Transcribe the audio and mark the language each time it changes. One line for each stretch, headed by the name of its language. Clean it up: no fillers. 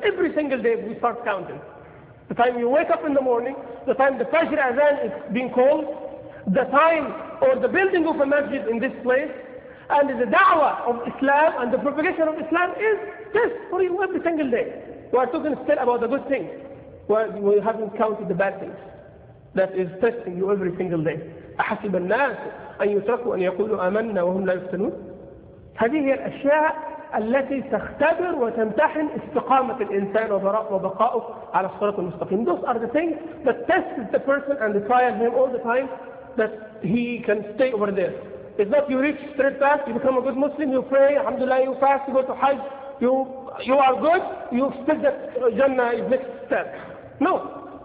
English: Every single day we start counting. The time you wake up in the morning, the time the Fajr Azan is being called, the time or the building of a masjid in this place, and the da'wah of Islam and the propagation of Islam is test for you every single day. We are talking still about the good things. We haven't counted the bad things. That is testing you every single day.
Arabic: أَحَسِبَ النَّاسُ أَنْ يُتْرَكُوا أَنْ يَقُولُوا أَمَنَّا وَهُمْ لَا يُفْتَنُونَ. هذه هي الأشياء التي تختبر وتمتحن استقامة الإنسان وبقاؤه على الصراط المستقيم.
English: Those are the things that test the person and trial him all the time that he can stay over there. It's not you reach straight path, you become a good Muslim, you pray, alhamdulillah, you fast, you go to Hajj, you are good, you expect that Jannah is next step. No.